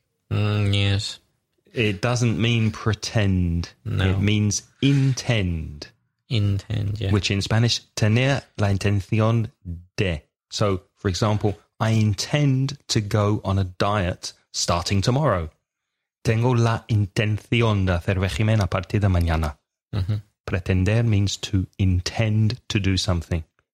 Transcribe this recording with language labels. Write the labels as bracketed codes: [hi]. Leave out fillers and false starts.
[en] Yes. It doesn't mean pretend. No. It means intend. Intend, yeah. Which in Spanish, [es] tener la intención de. [en] So, for example, I intend to go on a diet starting tomorrow. [es] Tengo la intención de hacer régimen a partir de mañana. Mm-hmm. [en] Pretender means to intend to do something.